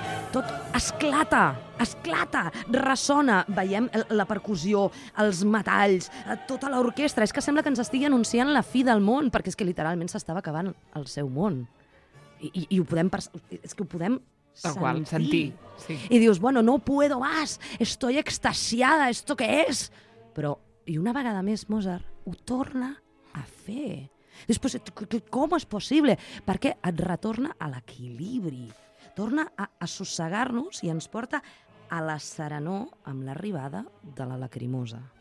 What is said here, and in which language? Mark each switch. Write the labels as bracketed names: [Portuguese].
[Catalan] Tot esclata, esclata, ressona. Veiem la percussió, els metalls, tota l'orquestra. És que sembla que ens estigui anunciant la fi del món, perquè és que literalment s'estava acabant el seu món. I ho podem... És que ho podem sentir. Qual, sentir. Sí. I dius, [Spanish] bueno, no puedo más, estoy extasiada, ¿esto qué es? [Catalan] Però, i una vegada més, Mozart ho torna a fer. Dius, pues, com és possible? Perquè et retorna a l'equilibri. Torna a assossegar-nos i ens porta a la serenor amb l'arribada de la Lacrimosa.